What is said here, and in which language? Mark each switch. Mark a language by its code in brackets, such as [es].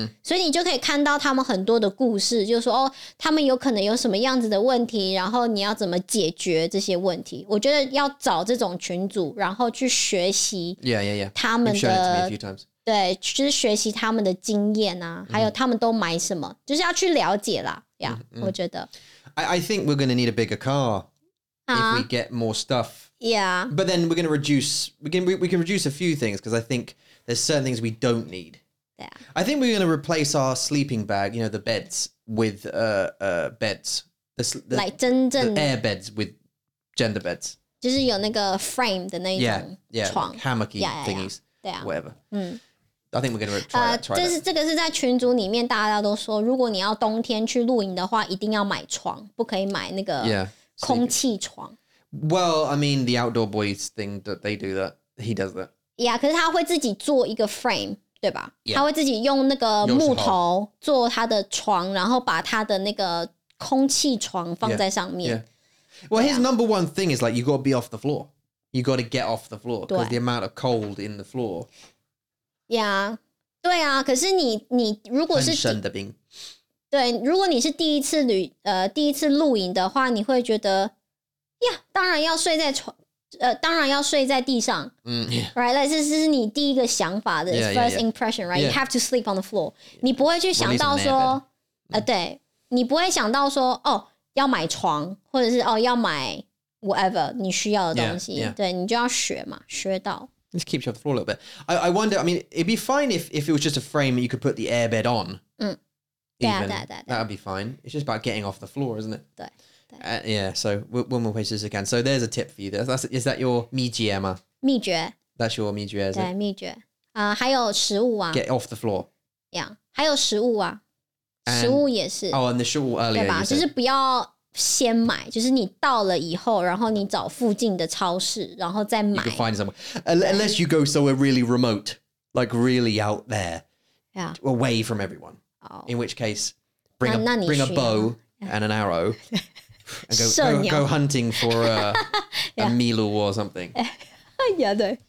[zh] 所以你就可以看到他们很多的故事，就是说哦，他们有可能有什么样子的问题，然后你要怎么解决这些问题。我觉得要找这种群组然后去学习他们的。对，就是学习他们的经验啊，还有他们都买什么，就是要去了解啦。 Yeah, 我觉得。 [en] I think we're going to need a bigger car if we get more stuff. Yeah. But then we're going to reduce, we can reduce a few things because I think there's certain things we don't need. Yeah. I think we're going to replace our sleeping bag, you know, the beds with beds. The, [zh] like 真正 [en] 的 air beds with gender beds. [zh] 就是有那个 frame 的那种床。 [en] Yeah, hammocky thingies. Yeah. 对啊，whatever， 嗯 ，I think we're gonna try that。 [zh] 这是这个是在群组里面大家都说，如果你要冬天去露营的话，一定要买床，不可以买那个空气床。 [en] Yeah, well, I mean, the outdoor boys think that they do that. He does that. [zh] Yeah, 可是他会自己做一个 frame， 对吧？ [en] Yeah. [zh] 他会自己用那个木头做他的床，然后把他的那个空气床放在上面。 [en] Yeah. Yeah. Well, his number one thing is like you gotta be off the floor. You got to get off the floor because the amount of cold in the floor. [zh] Yeah, 对啊，可是你如果是很深的冰，对，如果你是第一次露营的话，你会觉得呀， yeah, 当然要睡在床，当然要睡在地上。 [en] Right, like, [zh] 这是你第一个想法的 [en] first impression, right? You have to sleep on the floor. [zh] 你不会去想到说，对，你不会想到说，哦，要买床，或者是哦，要买。 Whatever 你需要的东西 [en] yeah, yeah. [zh] 对你就要学嘛学到 [en] This keeps you off the floor a little bit I wonder I mean it'd be fine if it was just a frame you could put the airbed on [zh] 对啊 [en] That'd be fine It's just about getting off the floor isn't it [zh] 对 [en] Yeah so one more place as again So there's a tip for you that's, Is that your [zh] 秘诀吗秘诀 [en] That's your [zh] 秘诀 [en] is it [zh] 对秘诀还有食物啊 [en] Get off the floor [zh] Yeah 还有食物啊 and, 食物也是 [en] Oh and the [zh] 食物 [en] earlier [zh] 对吧就是不要先买，就是你到了以后，然后你找附近的超市，然后再买。 [en] You can find somewhere. Unless you go somewhere really remote, like really out there, yeah, away from everyone. Oh. In which case, bring a bow and an arrow, and go hunting for a milu or something. [zh] Yeah, 对。